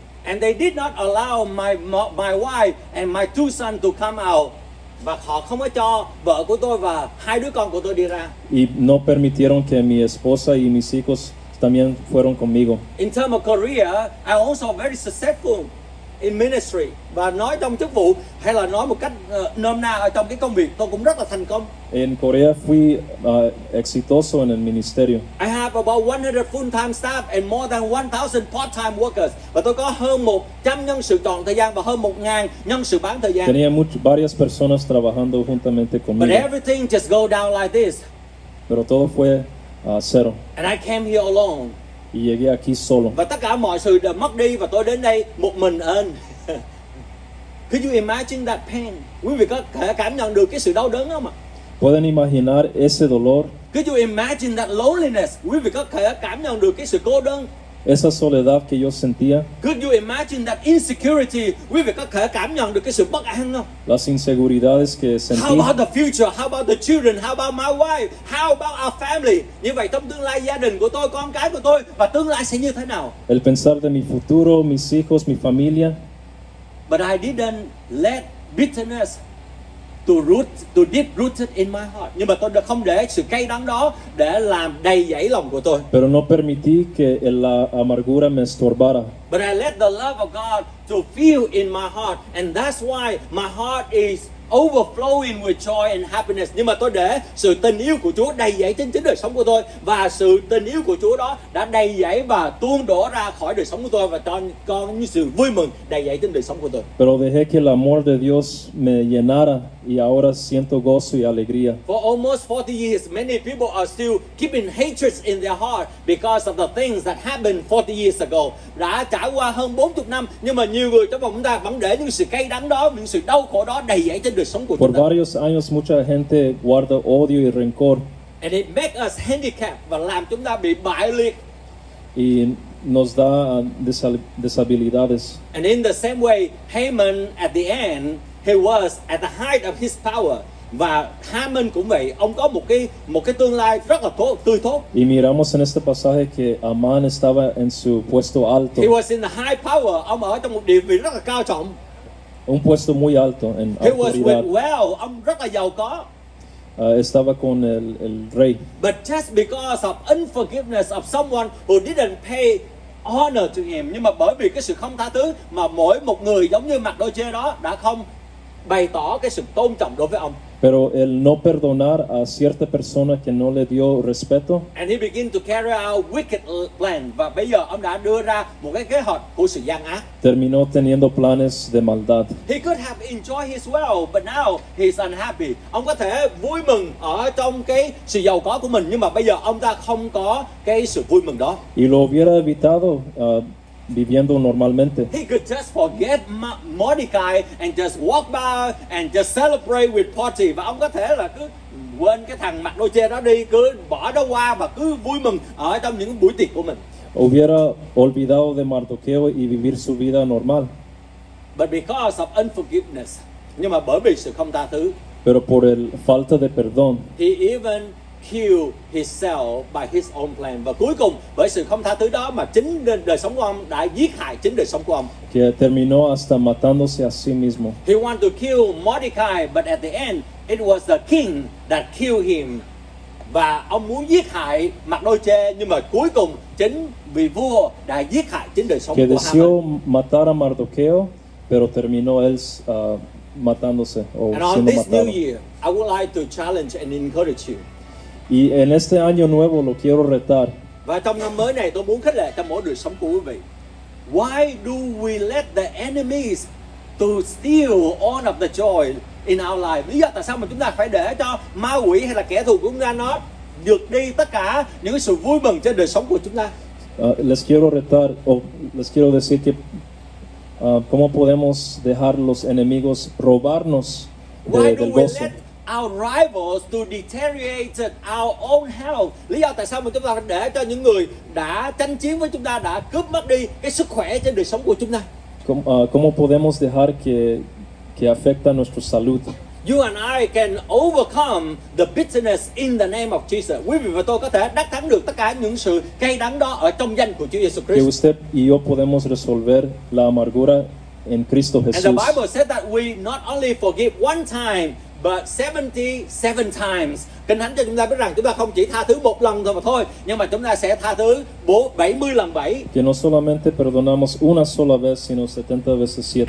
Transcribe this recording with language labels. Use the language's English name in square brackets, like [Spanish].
[English] And they did not allow my wife and my two sons to come out. [Vietnamese] Và họ không có cho vợ của tôi và hai đứa con của tôi đi ra. [Spanish] Y no permitieron que mi esposa y mis hijos también fueron conmigo. [English] In terms of career, I also very successful in ministry. [Vietnamese] Và nói trong chức vụ hay là nói một cách nôm na ở trong cái công việc, tôi cũng rất là thành công. [Spanish] En Corea fui exitoso en el ministerio. [English] I have about 100 full-time staff and more than 1,000 part-time workers. [Vietnamese] Và tôi có hơn 100 nhân sự chọn thời gian và hơn 1,000 nhân sự bán thời gian. [Spanish] Tenía varias personas trabajando juntamente conmigo. [English] But everything just go down like this. [Spanish] Pero todo fue cero. [English] And I came here alone. [Spanish] Y llegué aquí solo. [Vietnamese] Và tất cả mọi sự đã mất đi và tôi đến đây một mình ơn. [English] Could you imagine that pain? [Vietnamese] Quý vị có thể cảm nhận được cái sự đau đớn không ạ? [Spanish] ¿Pueden imaginar ese dolor? [English] Could you imagine that loneliness? [Vietnamese] Quý vị có thể cảm nhận được cái sự cô đơn? [Spanish] Esa soledad que yo sentía. [English] Could you imagine that insecurity? [Vietnamese] Quý vị có thể cảm nhận được cái sự bất an không? [Spanish] Las inseguridades que sentí. [English] How about the future? How about the children? How about my wife? How about our family? [Vietnamese] Như vậy trong tương lai gia đình của tôi, con cái của tôi và tương lai sẽ như thế nào? [Spanish] El pensar de mi futuro, mis hijos, mi familia. [English] But I didn't let bitterness to deep rooted in my heart. [Vietnamese] Nhưng mà tôi đã không để sự cay đắng đó để làm đầy dẫy lòng của tôi. [Spanish] Pero no permití que la amargura me estorbara. [English] But I let the love of God to fill in my heart, and that's why my heart is overflowing with joy and happiness. [Vietnamese] Nhưng mà tôi để sự tình yêu của Chúa đầy dẫy trên chính đời sống của tôi, và sự tình yêu của Chúa đó đã đầy dẫy và tuôn đổ ra khỏi đời sống của tôi và cho con như sự vui mừng đầy dẫy trên đời sống của tôi. [Spanish] Pero dejé que el amor de Dios me llenara y ahora siento gozo y alegría. [English] For almost 40 years, many people are still keeping hatred in their heart because of the things that happened 40 years ago. [Vietnamese] Đã trải qua hơn 40 năm, nhưng mà nhiều người trong chúng ta vẫn để những sự cay đắng đó, những sự đau khổ đó đầy dẫy trên đời sống của chúng ta. [Spanish] Por varios años, mucha gente guarda odio y rencor. [English] And it makes us handicapped [Vietnamese] và làm chúng ta bị bại liệt. [Spanish] Y nos da deshabilidades. [English] And in the same way, Haman at the end, he was at the height of his power. [Vietnamese] Và Haman cũng vậy, ông có một cái tương lai rất là tươi tốt. [Spanish] Y miramos en este pasaje que Amán estaba en su puesto alto. [English] He was in the high power, [Vietnamese] ông ở trong một địa vị rất là cao trọng. [Spanish] Un puesto muy alto en he autoridad. [English] Was with wealth, [Vietnamese] ông rất là giàu có. [Spanish] Estaba con el rey. [English] But just because of unforgiveness of someone who didn't pay honor to him, [Vietnamese] nhưng mà bởi vì cái sự không tha thứ mà mỗi một người giống như Mardochêu đó đã không bày tỏ cái sự tôn trọng đối với ông. [Spanish] Pero el no perdonar a cierta persona que no le dio respeto. [English] And he began to carry out wicked plan. [Vietnamese] Và bây giờ ông đã đưa ra một cái kế hoạch của sự gian ác. [Spanish] Terminó teniendo planes de maldad. [English] He could have enjoyed his wealth, but now he's unhappy. [Vietnamese] Ông có thể vui mừng ở trong cái sự giàu có của mình, nhưng mà bây giờ ông ta không có cái sự vui mừng đó. [Spanish] Y lo hubiera evitado viviendo normalmente. [English] He could just forget Mordecai and just walk by and just celebrate with party. [Vietnamese] Và ông có thể là cứ quên cái thằng mặc đôi che đó đi, cứ bỏ nó qua và cứ vui mừng ở trong những buổi tiệc của mình. [Spanish] Hubiera olvidado de Mardoqueo y vivir su vida normal. [English] But because of unforgiveness, [Vietnamese] nhưng mà bởi vì sự không tha thứ. [Spanish] Pero por el falta de perdón. [English] He even kill himself by his own plan. [Vietnamese] Và cuối cùng, bởi sự không tha thứ đó mà chính đời sống của ông đã giết hại chính đời sống của ông. [Spanish] Que terminó hasta matándose a sí mismo. [English] He wanted to kill Mordecai, but at the end, it was the king that killed him. [Vietnamese] Và ông muốn giết hại Mardochê, nhưng mà cuối cùng, chính vị vua đã giết hại chính đời sống que của Haman. [Spanish] Que deseó matar a Mardoqueo, pero terminó él matándose. O [English] and on this new year, I would like to challenge and encourage you. [Spanish] Y en este año nuevo lo quiero retar. [Vietnamese] Và trong năm mới này tôi muốn khích lệ cho mỗi đời sống của quý vị. [English] Why do we let the enemies to steal all of the joy in our life? [Vietnamese] Lý do tại sao mà chúng ta phải để cho ma quỷ hay là kẻ thù của chúng ta nó giật đi tất cả những sự vui mừng trên đời sống của chúng ta? [Spanish] Les quiero retar les quiero decir que cómo podemos dejar los enemigos robarnos del gozo. [English] Our rivals to deteriorate our own health. [Vietnamese] Lý do tại sao mà chúng ta để cho những người đã tranh chiến với chúng ta đã cướp mất đi cái sức khỏe trên đời sống của chúng ta? [Spanish] Cómo podemos dejar que afecta nuestra salud? [English] You and I can overcome the bitterness in the name of Jesus. [Vietnamese] Quý vị và tôi có thể đắc thắng được tất cả những sự cay đắng đó ở trong danh của Chúa Jesus Christ. [Spanish] Que usted y yo podemos resolver la amargura en Cristo Jesús. [English] And the Bible says that we not only forgive one time, but 77 times. [Vietnamese] Kinh Thánh cho chúng ta biết rằng chúng ta không chỉ tha thứ một lần thôi mà thôi, nhưng mà chúng ta sẽ tha thứ 70 lần 7. [Spanish] Que no solamente perdonamos una sola vez, sino 70 veces 7.